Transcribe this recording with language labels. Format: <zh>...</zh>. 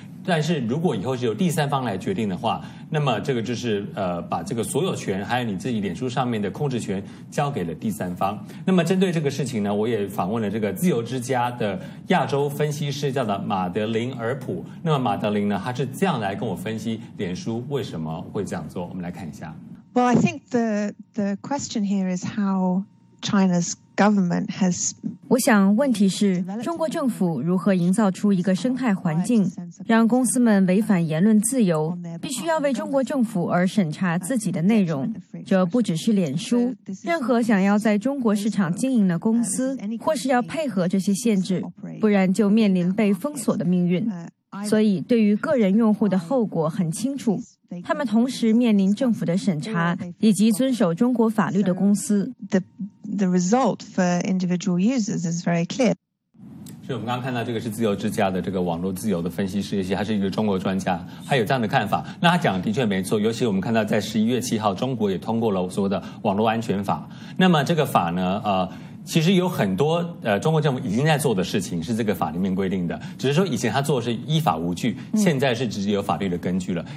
<zh>但是如果以后是由第三方来决定的话，那么这个就是把这个所有权还有你自己脸书上面的控制权交给了第三方。那么针对这个事情呢，我也访问了这个自由之家的亚洲分析师，叫做马德琳尔普。那么马德琳呢，他是这样来跟我分析脸书为什么会这样做，我们来看一下。</zh> <en>Well, I think the question here is how China's government has.</en> <zh>我想问题是中国政府如何营造出一个生态环境，让公司们违反言论自由，必须要为中国政府而审查自己的内容。这不只是脸书，任何想要在中国市场经营的公司，或是要配合这些限制，不然就面临被封锁的命运。所以，对于个人用户的后果很清楚。他们同时面临政府的审查以及遵守中国法律的公司。</zh> <en>The result for individual users is very clear.</en> <zh>所以我们刚刚看到这个是自由之家的这个网络自由的分析师，他是一个中国专家，他有这样的看法。那他讲的确没错，尤其我们看到在11月7号中国也通过了所谓的网络安全法。那么这个法呢其实有很多中国政府已经在做的事情是这个法里面规定的，只是说以前他做的是依法无据，现在是直接有法律的根据了。</zh>